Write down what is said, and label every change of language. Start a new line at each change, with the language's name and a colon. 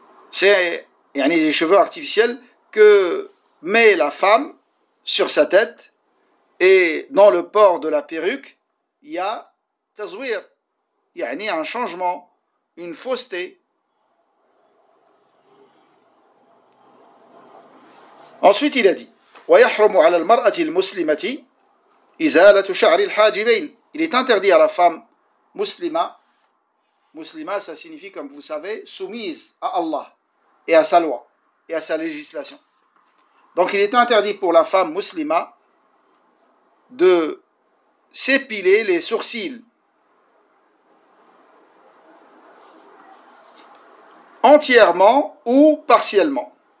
French: C'est yani des cheveux artificiels que met la femme sur sa tête et dans le port de la perruque, il y a tazwir, yani un changement, une fausseté. Ensuite, il a dit
Arabic: ويحرم على المرأة المسلمة إزالة شعر الحاجبين.
French: Il est interdit à la femme muslima. Muslima, ça signifie, comme vous savez, soumise à Allah et à sa loi et à sa législation. Donc, il est interdit pour la femme muslima de s'épiler les sourcils entièrement ou partiellement.